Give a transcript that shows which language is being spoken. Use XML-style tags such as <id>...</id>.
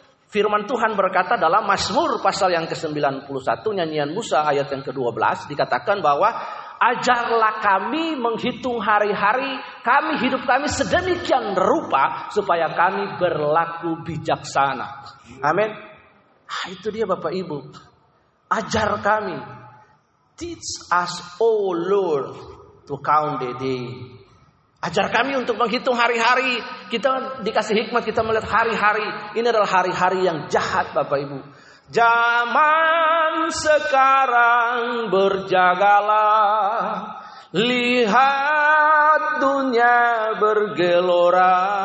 <id>firman Tuhan berkata dalam Mazmur pasal yang ke-91 nyanyian Musa ayat yang ke-12 dikatakan bahwa ajarlah kami menghitung hari-hari kami, hidup kami sedemikian rupa supaya kami berlaku bijaksana. Amin. Ah, itu dia Bapak Ibu. Ajar kami.</id> <en>Teach us, O Lord, to count the day.</en> <id>Ajar kami untuk menghitung hari-hari. Kita dikasih hikmat, kita melihat hari-hari. Ini adalah hari-hari yang jahat, Bapak Ibu. Zaman sekarang berjagalah. Lihat dunia bergelora.</id>